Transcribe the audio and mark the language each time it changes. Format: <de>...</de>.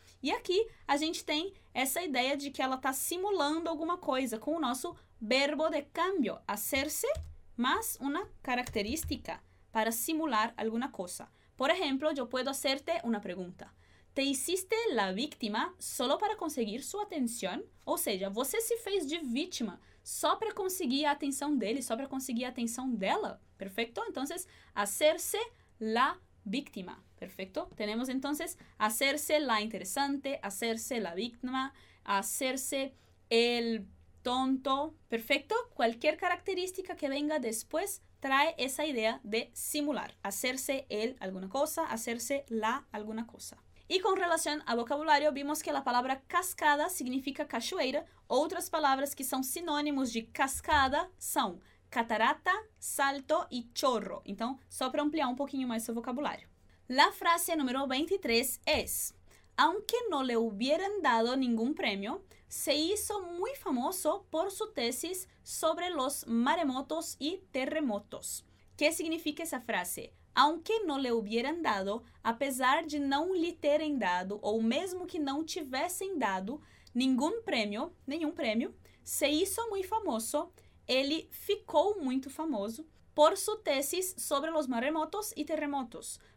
<pt>E aqui, a gente tem essa ideia de que ela está simulando alguma coisa com o nosso verbo de cambio, hacerse, mas uma característica para simular alguma coisa. Por exemplo, eu puedo hacerte uma pergunta.</pt> <es>Te hiciste la víctima solo para conseguir</es> <pt>sua atenção? Ou seja, você se fez de vítima só para conseguir a atenção dele, só para conseguir a atenção dela, perfeito? Então,</pt> <es>hacerse la víctima. Perfecto. Tenemos entonces hacerse la interesante, hacerse la víctima, hacerse el tonto. Perfecto. Cualquier característica que venga después trae esa idea de simular. Hacerse el alguna cosa, hacerse la alguna cosa. Y con relación a vocabulario, vimos que la palabra cascada significa cachoeira. Otras palabras que son sinónimos de cascada son catarata, salto y chorro.</es> <pt>Então, só para ampliar um pouquinho mais seu vocabulário.</pt> <es>La frase número 23 es, aunque no le hubieran dado ningún premio, se hizo muy famoso por su tesis sobre los maremotos y terremotos. ¿Qué significa esa frase? Aunque no le hubieran dado,</es> <pt>apesar de não lhe terem dado, ou mesmo que não tivessem dado nenhum prêmio,</pt> <es>se hizo muy famoso,</es> <pt>ele ficou muito famoso,</pt> <es>por su tesis sobre los maremotos y terremotos.</es>